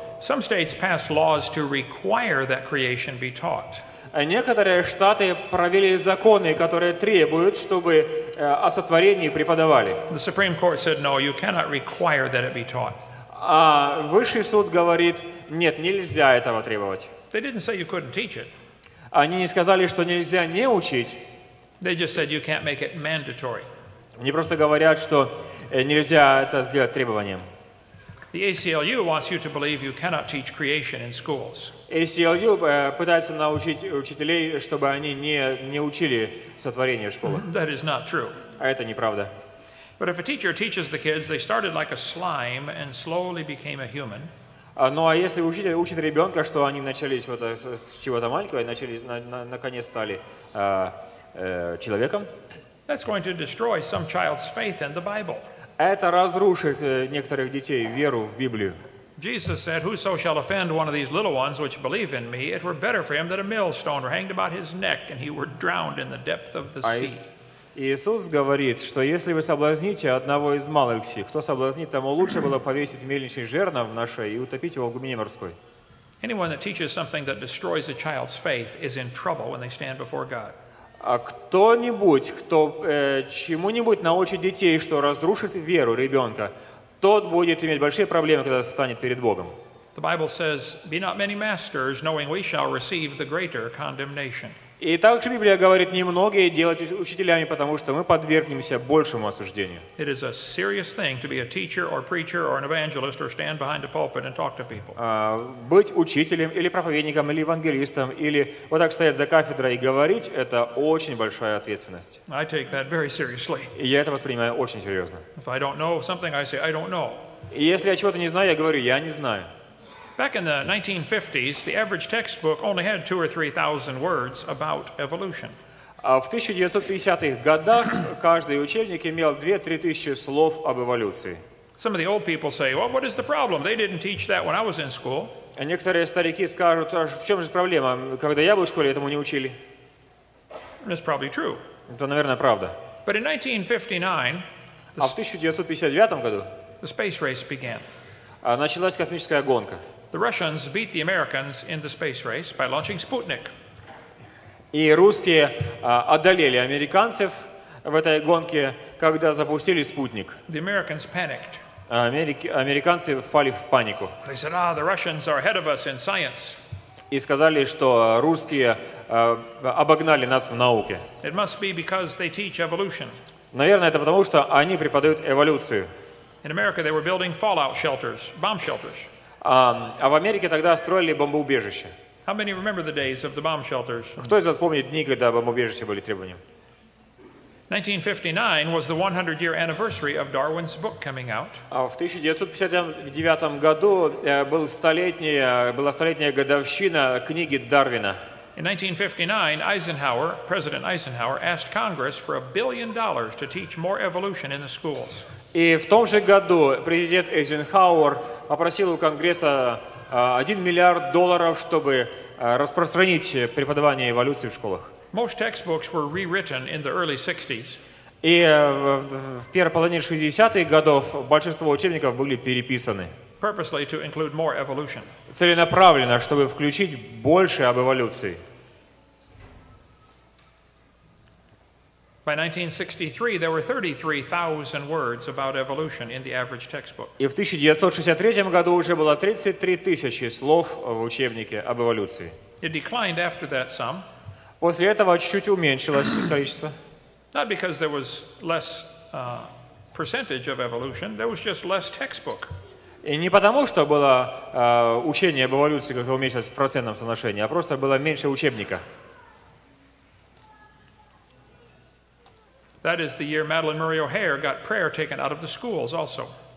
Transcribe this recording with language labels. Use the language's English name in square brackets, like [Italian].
[English] Some states pass laws to require that creation be taught. [Russian] Некоторые штаты провели законы, которые требуют, чтобы о сотворении преподавали. [English] The Supreme Court said, no, you cannot require that it be taught. [Russian] А высший суд говорит, нет, нельзя этого требовать. [English] They didn't say you couldn't teach it. [Russian] Они не сказали, что нельзя не учить. [English] They just said you can't make it mandatory. [Russian] Они просто говорят, что нельзя это сделать требованием. [English] The ACLU wants you to believe you cannot teach creation in schools. [Russian] ACLU пытается научить учителей, чтобы они не учили сотворение в школах. [English] That is not true. [Russian] А это неправда. [English] But if a teacher teaches the kids, they started like a slime and slowly became a human. [Russian] Ну а если учитель учит ребенка, что они начались вот с чего-то маленького, начались наконец стали человеком? [English] That's going to destroy some child's faith in the Bible. [Russian] Это разрушит некоторых детей веру в Библию. [English] Jesus said, "Whoso shall offend one of these little ones which believe in me, it were better for him that a millstone were hanged about his neck and he were drowned in the depth of the sea." [Russian] Иисус говорит, что если вы соблазните одного из малых сих, кто соблазнит, тому лучше было повесить мельничный жернов на шее и утопить его в глубине морской. [English] Anyone that teaches something that destroys a child's faith is in trouble when they stand before God. [Russian] А кто-нибудь, кто чему-нибудь научит детей, что разрушит веру ребенка, тот будет иметь большие проблемы, когда станет перед Богом. [English] The Bible says, "Be not many masters, knowing we shall receive the greater condemnation." [Russian] И также Библия говорит, немногие делайтесь учителями, потому что мы подвергнемся большему осуждению. [English] It is a serious thing to be a teacher or preacher or an evangelist or stand behind a pulpit and talk to people. [Russian] Быть учителем или проповедником или евангелистом или вот так стоять за кафедрой и говорить – это очень большая ответственность. [English] I take that very seriously. [Russian] И я это воспринимаю очень серьезно. [English] If I don't know something, I say I don't know. [Russian] И если я чего-то не знаю, я говорю, я не знаю. [English] Back in the 1950s, the average textbook only had 2,000 or 3,000 words about evolution. [Russian] В 1950-х годах каждый учебник имел 2-3 тысячи слов об эволюции. [English] Some of the old people say, "Well, what is the problem? They didn't teach that when I was in school." [Russian] Некоторые старики скажут, в чем же проблема, когда я был в школе, этому не учили. [English] It's probably true. [Russian] Это, наверное, правда. [English] But in 1959, [Russian] в 1959 году, [English] the space race began. [Russian] Началась космическая гонка. [English] The Russians beat the Americans in the space race by launching Sputnik. [Russian] И русские одолели американцев в этой гонке, когда запустили спутник. [English] The Americans panicked. [Russian] Американцы впали в панику. [English] They said, "Ah, the Russians are ahead of us in science." [Russian] И сказали, что русские обогнали нас в науке. [English] It must be because they teach evolution. [Russian] Наверное, это потому, что они преподают эволюцию. [English] In America they were building fallout shelters, bomb shelters. [Russian] А в Америке тогда строили бомбоубежища. [English] How many remember the days of the bomb shelters? [Russian] Кто из вас помнит дни, когда бомбоубежища были требованием? [English] 1959 was the 100-year anniversary of Darwin's book coming out. [Russian] А в 1959 году была столетняя годовщина книги Дарвина. [English] In 1959, Eisenhower, President Eisenhower, asked Congress for $1 billion to teach more evolution in the schools. [Russian] И в том же году президент Эйзенхауэр попросил у Конгресса $1 миллиард, чтобы распространить преподавание эволюции в школах. [English] Most textbooks were rewritten in the early 60s. [Russian] И в первой половине 60-х годов большинство учебников были переписаны. [English] Purposely to include more evolution. [Russian] Целенаправленно, чтобы включить больше об эволюции. [English] By 1963, there were 33,000 words about evolution in the average textbook. [Russian] И в 1963 году уже было 33 тысячи слов в учебнике об эволюции. [English] It declined after that some. [Russian] После этого чуть-чуть уменьшилось количество. [English] Not because there was less percentage of evolution, there was just less textbook. [Russian] И не потому, что было учение об эволюции как-то уменьшилось в процентном соотношении, а просто было меньше учебника. [English] That is the year Madeleine Murray O'Hare got prayer taken out of the schools also.